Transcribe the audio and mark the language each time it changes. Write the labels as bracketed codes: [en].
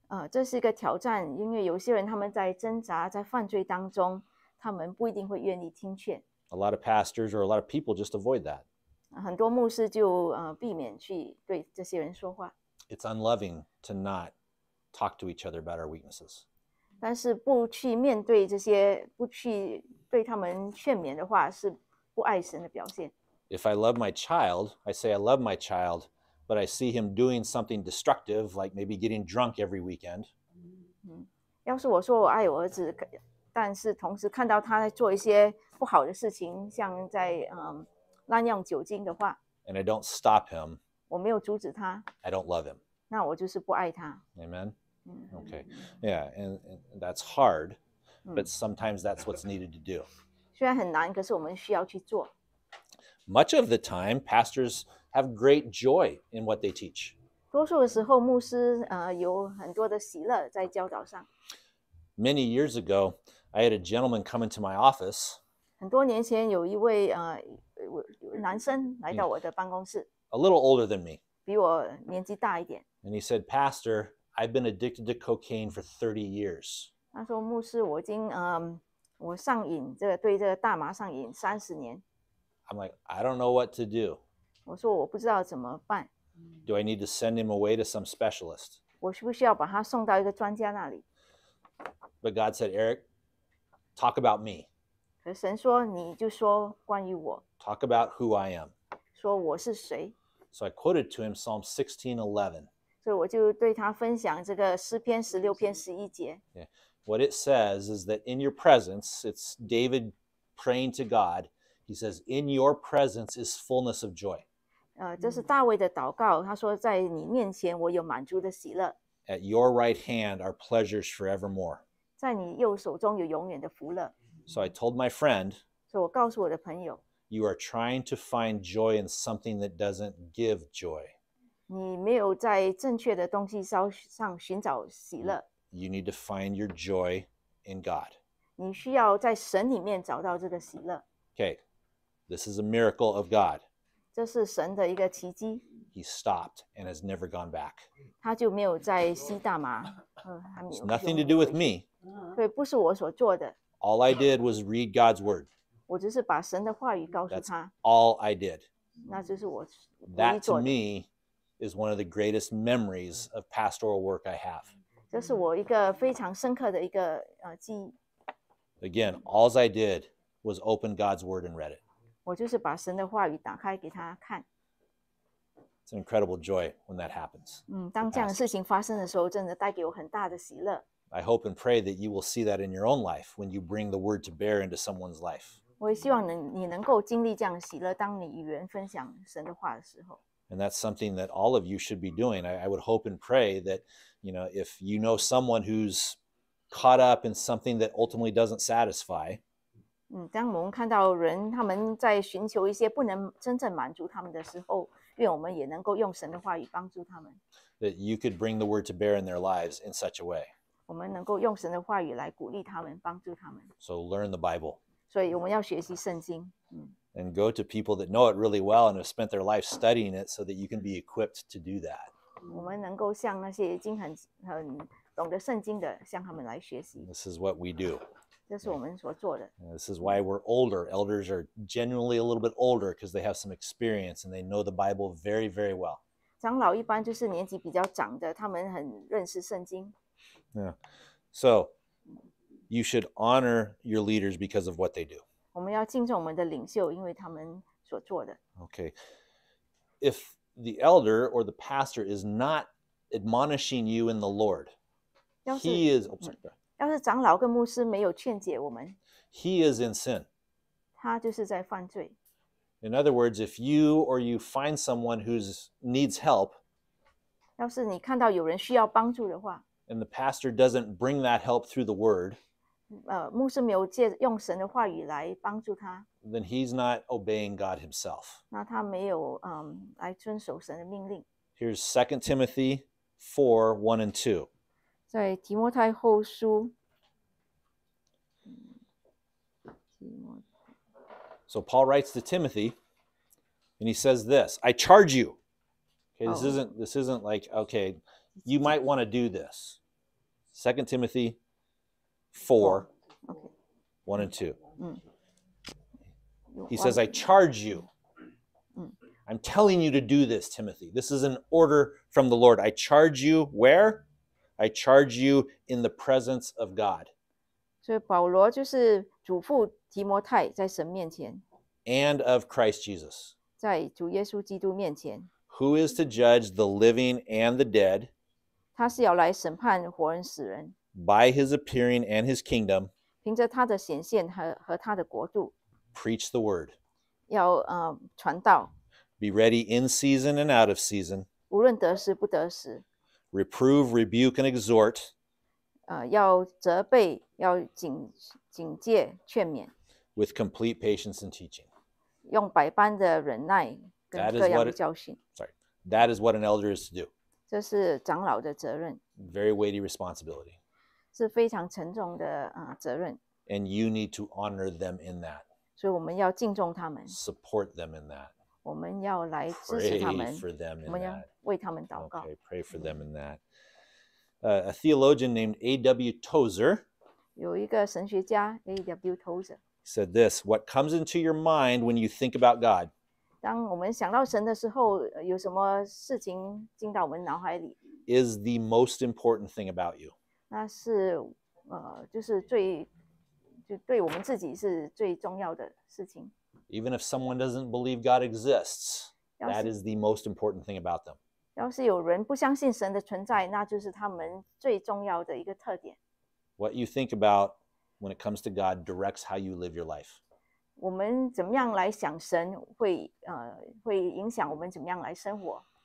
[zh] 这是一个挑战，因为有些人他们在挣扎，在犯罪当中，他们不一定会愿意听劝。 [en] A lot of pastors or a lot of people just avoid that. [zh] 很多牧师就避免去对这些人说话。 [en] It's unloving to not talk to each other about our weaknesses. [zh] 但是不去面对这些，不去对他们劝勉的话，是不爱神的表现。 [en] If I love my child, I say I love my child, but I see him doing something destructive, like maybe getting drunk every weekend. [zh] 要是我说我爱我儿子，但是同时看到他在做一些不好的事情，像在滥用酒精的话， [en] And I don't stop him, [zh] 我没有阻止他， [en] I don't love him. [zh] 那我就是不爱他。 [en] Amen. Okay. Yeah, and that's hard, but sometimes that's what's needed to do. [zh] 虽然很难，可是我们需要去做。 [en] Much of the time, pastors have great joy in what they teach. [zh] 多数的时候，牧师有很多的喜乐在教导上。 [en] Many years ago, I had a gentleman come into my office. [zh] 很多年前有一位男生来到我的办公室。 [en] A little older than me. [zh] 比我年纪大一点。 [en] And he said, Pastor, I've been addicted to cocaine for 30 years. [zh] 他说，牧师，我已经我上瘾，这个对这个大麻上瘾30年。 [en] I'm like, I don't know what to do. [zh] 我说我不知道怎么办。 [en] Do I need to send him away to some specialist? [zh] 我需不需要把他送到一个专家那里？ [en] But God said, Eric, talk about me. [zh] 可是神说，你就说关于我。 [en] Talk about who I am. [zh] 说我是谁。 [en] So I quoted to him Psalm 16:11. [zh] 所以我就对他分享这个诗篇16篇11节。 [en] Yeah. What it says is that in your presence, it's David praying to God. He says, in your presence is fullness of joy. [zh] 这是大卫的祷告，他说在你面前我有满足的喜乐。 [en] At your right hand are pleasures forevermore. [zh] 在你右手中有永远的福乐。 [en] So I told my friend, [zh] 所以我告诉我的朋友, [en] you are trying to find joy in something that doesn't give joy. [zh] 你没有在正确的东西上寻找喜乐。 [en] You need to find your joy in God. [zh] 你需要在神里面找到这个喜乐。 [en] Okay, this is a miracle of God. [zh] 这是神的一个奇迹。 [en] He stopped and has never gone back. [zh] 他就没有再吸大麻，还没有。 [en] It's nothing to do with me. [zh] 对，不是我所做的。 [en] All I did was read God's word. [zh] 我只是把神的话语告诉他。 [en] That's all I did. [zh] 那就是我。 [en] That to me is one of the greatest memories of pastoral work I have. [zh] 这是我一个非常深刻的一个记忆。 [en] Again, all I did was open God's word and read it. [zh] 我就是把神的话语打开给他看。 [en] It's an incredible joy when that happens. [zh] 当这样的事情发生的时候，真的带给我很大的喜乐。 [en] I hope and pray that you will see that in your own life when you bring the word to bear into someone's life. [zh] 我也希望你能够经历这样的喜乐，当你与人分享神的话的时候。 [en] And that's something that all of you should be doing. I would hope and pray that, you know, if you know someone who's caught up in something that ultimately doesn't satisfy. [zh] 当我们看到人他们在寻求一些不能真正满足他们的时候。愿我们也能够用神的话语帮助他们。 [en] That you could bring the word to bear in their lives in such a way. [zh] 我们能够用神的话语来鼓励他们，帮助他们。 [en] So learn the Bible. [zh] 所以我们要学习圣经。 [en] And go to people that know it really well and have spent their life studying it so that you can be equipped to do that. [zh] 我们能够向那些已经很懂得圣经的，向他们来学习。 [en] This is what we do. [zh] 这是我们所做的。 [en] This is why we're older. Elders are genuinely a little bit older because they have some experience and they know the Bible very, very well. [zh] 长老一般就是年纪比较长的，他们很认识圣经。 [en] Yeah. So, you should honor your leaders because of what they do. [zh] 我们要敬重我们的领袖，因为他们所做的。 [en] Okay. If the elder or the pastor is not admonishing you in the Lord, he is... Oh, sorry. [zh] 要是长老跟牧师没有劝解我们， [en] He is in sin. [zh] 他就是在犯罪。 [en] In other words, if you or you find someone who needs help, [zh] 要是你看到有人需要帮助的话， [en] and the pastor doesn't bring that help through the word, [zh] 牧师没有借用神的话语来帮助他， [en] then he's not obeying God himself. [zh] 那他没有来遵守神的命令。 [en] Here's 2 Timothy 4, 1 and 2. [zh] 在提摩太后书。 [en] So Paul writes to Timothy, and he says this, I charge you. Okay, this isn't like, okay, you might want to do this. 2 Timothy 4, 1 and 2. He says, I charge you. I'm telling you to do this, Timothy. This is an order from the Lord. I charge you where? I charge you in the presence of God. [zh] 所以保罗就是嘱咐提摩太在神面前。 [en] And of Christ Jesus. [zh] 在主耶稣基督面前。 [en] Who is to judge the living and the dead? [zh] 他是要来审判活人死人。 [en] By his appearing and his kingdom. [zh] 凭着他的显现和他的国度。 [en] Preach the word. [zh] 要传道。 [en] Be ready in season and out of season. [zh] 无论得时不得时。 [en] Reprove, rebuke, and exhort. [zh] 要责备，要警戒，劝勉。 [en] With complete patience and teaching. [zh] 用百般的忍耐跟各样的教训。 [en] That is what an elder is to do. [zh] 这是长老的责任。 [en] Very weighty responsibility. [zh] 是非常沉重的责任。 [en] And you need to honor them in that. [zh] 所以我们要敬重他们。 [en] Support them in that. [zh] 我们要来支持他们。我们要为他们祷告。 [en] Okay, pray for them in that. A theologian named A.W. Tozer. [zh] 有一个神学家 A.W. Tozer [en] said this: What comes into your mind when you think about God? [zh] 当我们想到神的时候，有什么事情进到我们脑海里 [en] ？Is the most important thing about you? [zh] 那是就是最就对我们自己是最重要的事情。 [en] Even if someone doesn't believe God exists, that is the most important thing about them. [zh] 要是有人不相信神的存在，那就是他们最重要的一个特点。 [en] What you think about when it comes to God directs how you live your life. [zh] 我们怎么样来想神，会影响我们怎么样来生活。